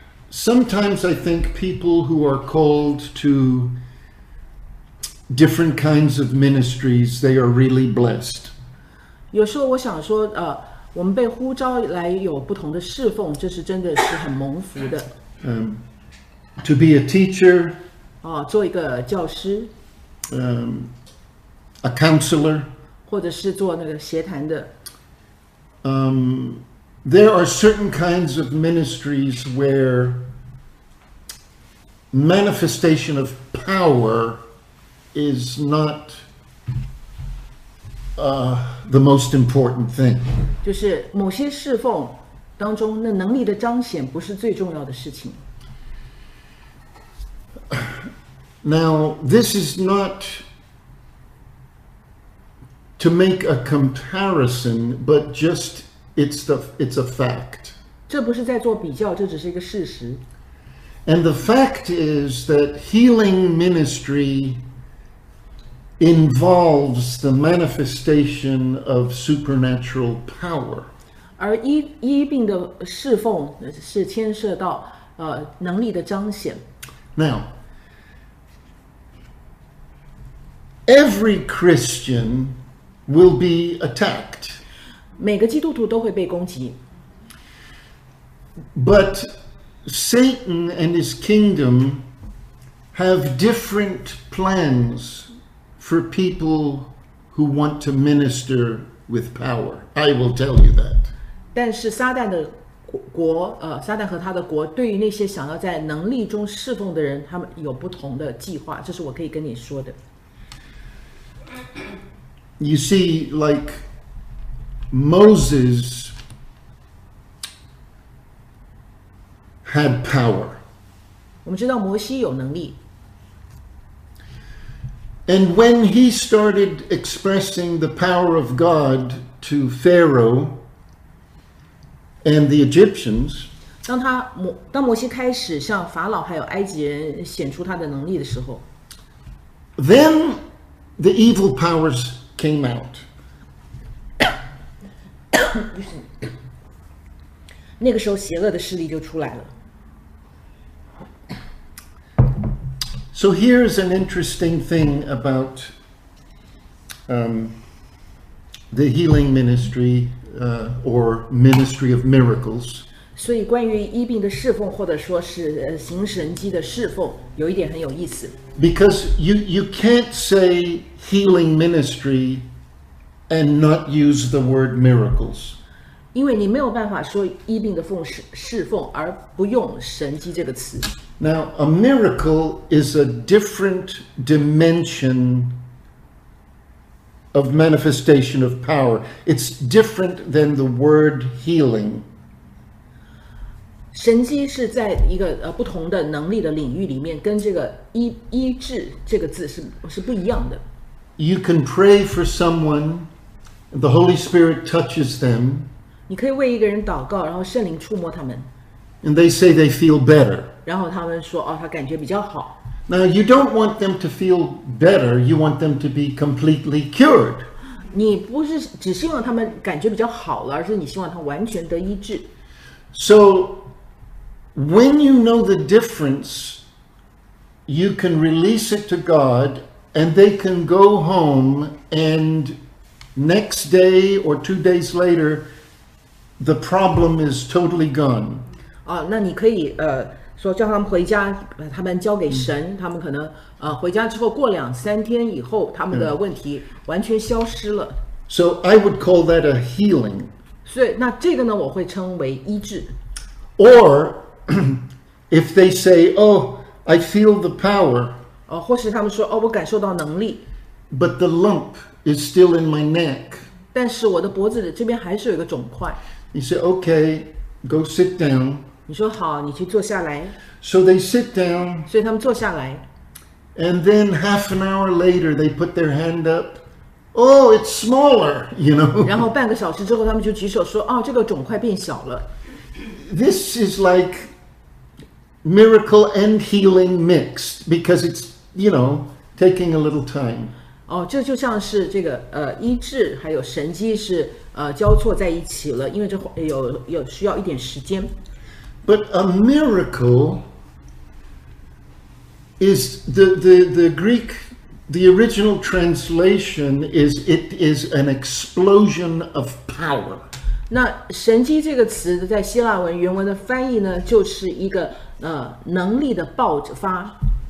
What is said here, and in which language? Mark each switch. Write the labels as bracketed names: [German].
[English] Sometimes I think people who are called to different kinds of ministries, they are really blessed. [Chinese] 有时候我想说，我们被呼召来有不同的侍奉，这是真的是很蒙福的。 [English] To be a teacher. [Chinese] 做一个教师。 [English] A counselor. [Chinese] 或者是做那个协谈的。 [English] There are certain kinds of ministries where manifestation of power is not the most important thing. [Chinese] 就是某些侍奉当中，那能力的彰显不是最重要的事情。 [English] Now, this is not to make a comparison, but just it's a fact. [Chinese] 这不是在做比较，这只是一个事实。 [English] And the fact is that healing ministry involves the manifestation of supernatural power. [Chinese] 而医病的侍奉是牵涉到能力的彰显。 [English] Now, every Christian will be attacked. [Chinese] 每个基督徒都会被攻击。 [English] But Satan and his kingdom have different plans for people who want to minister with power. I will tell you that. [Chinese] 但是撒旦的国，撒旦和他的国对于那些想要在能力中侍奉的人，他们有不同的计划，这是我可以跟你说的。 [English] You see, like Moses had power. [Chinese] 我们知道摩西有能力。 [English] And when he started expressing the power of God to Pharaoh and the Egyptians, [Chinese] 当摩西开始向法老还有埃及人显出他的能力的时候， [English] then the evil powers came out. [Chinese] 那个时候邪恶的势力就出来了。 [English] So here's an interesting thing about the healing ministry or ministry of miracles. [Chinese] 所以关于医病的侍奉或者说是行神迹的侍奉有一点很有意思。 [English] Because you can't say healing ministry and not use the word miracles. [Chinese] 因为你没有办法说医病的侍奉而不用神迹这个词。 [English] Now, a miracle is a different dimension of manifestation of power. It's different than the word healing. [Chinese] 神迹是在一个不同的能力的领域里面，跟这个医治这个字是不一样的。 [English] You can pray for someone, the Holy Spirit touches them. [Chinese] 你可以为一个人祷告，然后圣灵触摸他们。 [English] And they say they feel better. [Chinese] 然后他们说，他感觉比较好。 [English] Now you don't want them to feel better, you want them to be completely cured. [Chinese] 你不是只希望他们感觉比较好了，而是你希望他完全得医治。 [English] So when you know the difference, you can release it to God, and they can go home, and next day or 2 days later, the problem is totally gone. [Chinese] 那你可以说叫他们回家，把他们交给神，他们可能回家之后过两三天以后，他们的问题完全消失了。 [English] So I would call that a healing. [Chinese] 所以那这个呢，我会称为医治。 [English] Or if they say, "Oh, I feel the power." [Chinese] 或是他们说，我感受到能力。 [English] But the lump is still in my neck. [Chinese] 但是我的脖子这边还是有一个肿块。 [English] You say, "Okay, go sit down." [Chinese] 你说好，你去坐下来。 [English] So they sit down. [Chinese] 所以他们坐下来。 [English] And then half an hour later, they put their hand up. Oh, it's smaller, you know. [Chinese] 然后半个小时之后，他们就举手说：“哦，这个肿块变小了。” [English] This is like miracle and healing mixed because it's, you know, taking a little time. [Chinese] 哦，这就像是这个医治还有神迹是交错在一起了，因为这有需要一点时间。 [English] But a miracle is the Greek, the original translation is it is an explosion of power. [Chinese] 那神迹这个词在希腊文原文的翻译呢，就是一个能力的爆发。